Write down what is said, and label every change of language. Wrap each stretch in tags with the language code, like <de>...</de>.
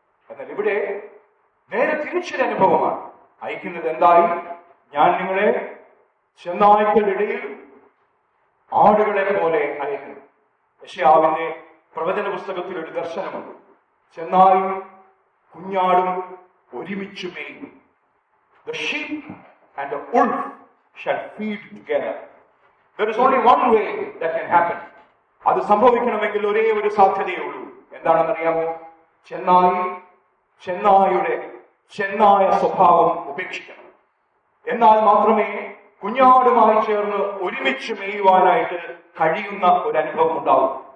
<ml>എന്നാൽ ഇവിടെ നേരെ തിരിച്ചൊരു അനുഭവമാണ്. അയക്കുന്നത് എന്തായി? ഞാൻ നിങ്ങളെ ചെന്നായ്ക്കളിടയിൽ ആടുകളെ പോലെ അയക്കുന്നു. യെശയ്യാവിന്റെ പ്രവചന പുസ്തകത്തിൽ ഒരു ദർശനമുണ്ട്, ചെന്നായും കുഞ്ഞാടും ഒരുമിച്ച് മേയും.</ml> <en>The sheep and the wolf shall feed together. There is only one way that can happen.</en> <ml>അത് സംഭവിക്കണമെങ്കിൽ ഒരേ ഒരു സാധ്യതയുള്ളൂ. എന്താണെന്നറിയാമോ? ചെന്നായി ചെന്നായുടെ ചെന്നായ സ്വഭാവം ഉപേക്ഷിക്കണം. എന്നാൽ മാത്രമേ കുഞ്ഞാടുമായി ചേർന്ന് ഒരുമിച്ച് മേയുവാനായിട്ട് കഴിയുന്ന ഒരു അനുഭവം ഉണ്ടാവും.</ml>